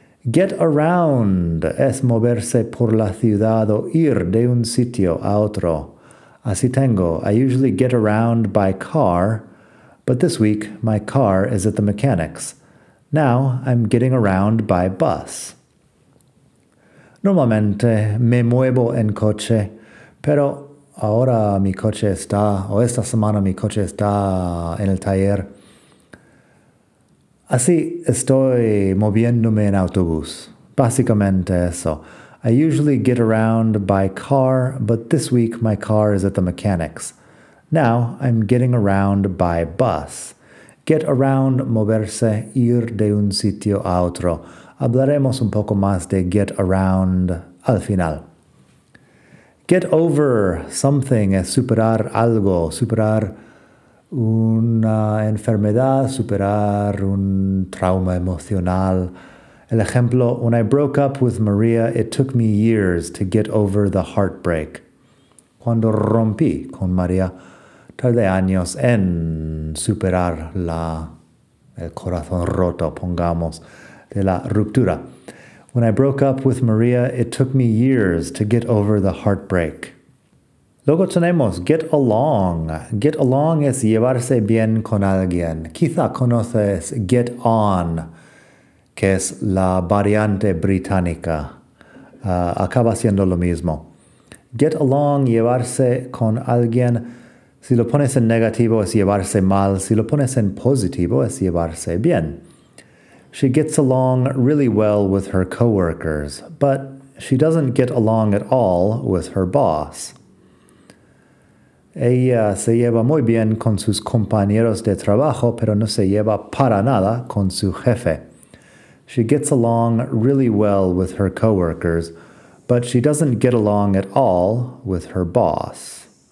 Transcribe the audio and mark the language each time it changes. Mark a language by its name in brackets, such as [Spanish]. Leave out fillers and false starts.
[Spanish] Get around es moverse por la ciudad o ir de un sitio a otro. Así tengo, [English] I usually get around by car, but this week my car is at the mechanic's. Now, I'm getting around by bus. [Spanish] Normalmente, me muevo en coche, pero ahora mi coche está, o esta semana mi coche está en el taller. Así, estoy moviéndome en autobús. Básicamente eso. [English] I usually get around by car, but this week my car is at the mechanic's. Now, I'm getting around by bus. [Spanish] Get around, moverse, ir de un sitio a otro. Hablaremos un poco más de get around al final. Get over something es superar algo, superar una enfermedad, superar un trauma emocional. El ejemplo, [English] when I broke up with Maria, it took me years to get over the heartbreak. [Spanish] Cuando rompí con María, tardé años en superar el corazón roto, pongamos, de la ruptura. [English] When I broke up with Maria, it took me years to get over the heartbreak. [Spanish] Luego tenemos get along. Get along es llevarse bien con alguien. Quizá conoces get on, que es la variante británica. Acaba siendo lo mismo. Get along, llevarse con alguien. Si lo pones en negativo, es llevarse mal. Si lo pones en positivo, es llevarse bien. [English] She gets along really well with her coworkers, but she doesn't get along at all with her boss. [Spanish] Ella se lleva muy bien con sus compañeros de trabajo, pero no se lleva para nada con su jefe. [English] She gets along really well with her coworkers, but she doesn't get along at all with her boss.